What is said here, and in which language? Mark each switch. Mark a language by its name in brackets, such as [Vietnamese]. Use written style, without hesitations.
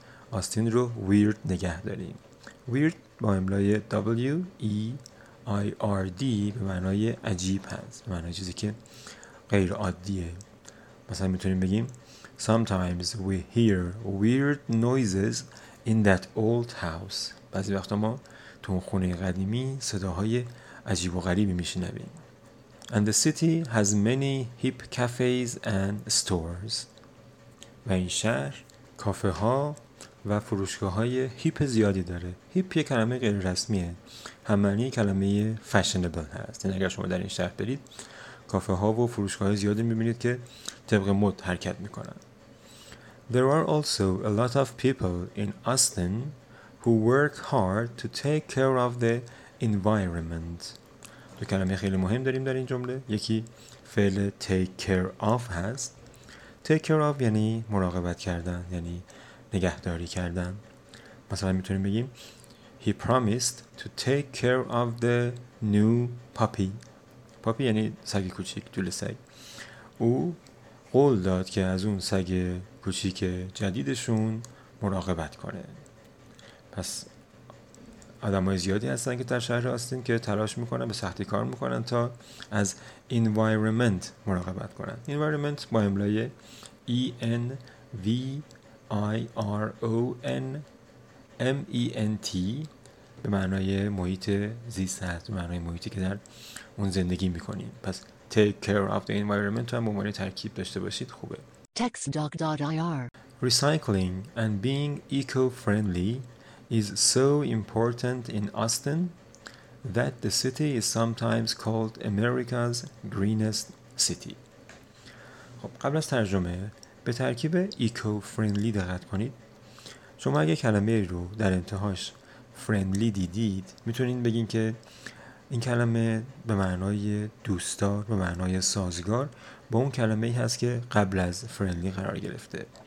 [Persian] آستین رو weird نگه داریم. Weird با املای WEIRD به معنای عجیب هست، به معنای چیزی که غیر عادیه. مثلا میتونیم بگیم [English] Sometimes we hear weird noises in that old house. [Persian] بعضی وقتا ما تو خونه قدیمی صداهای عجیب و غریبی میشنویم. [English] And the city has many hip cafes and stores. [Persian] و این شهر کافه ها و فروشگاه های هیپ زیادی داره. هیپ یه کلمه غیر رسمیه، هم معنی کلمه فشنبل هست. یعنی اگر شما در این شهر برید کافه ها و فروشگاه های زیادی میبینید که طبق مد حرکت میکنن. [English] There are also a lot of people in Austin who work hard to take care of the environment. [Persian] دو کلمه خیلی مهم داریم در این جمله. یکی فعل [English] take care of [Persian] هست. Take care of یعنی مراقبت کردن، یعنی نگهداری کردن. مثلا میتونیم بگیم [English] He promised to take care of the new puppy. [Persian] Puppy یعنی سگ کوچیک، دول سگ. او قول داد که از اون سگ کوچیک جدیدشون مراقبت کنه. پس آدم های زیادی هستن که در شهر هستن که تلاش میکنن، به سختی کار میکنن تا از environment مراقبت کنن. environment با املای environment به معنای محیط زیست هست، به معنای محیطی که در اون زندگی میکنین. پس [English] take care of the environment [Persian] رو هم به معنی ترکیب داشته باشید خوبه. [English] textdoc.ir recycling and being eco-friendly is so important in Austin that the city is sometimes called America's greenest city. [Persian] خب قبل از ترجمه به ترکیب ایکو فرندلی دقت کنید. شما اگه کلمه رو در انتهاش فرندلی دیدید میتونید بگین که این کلمه به معنای دوستدار، به معنای سازگار با اون کلمه ای هست که قبل از فرندلی قرار گرفته.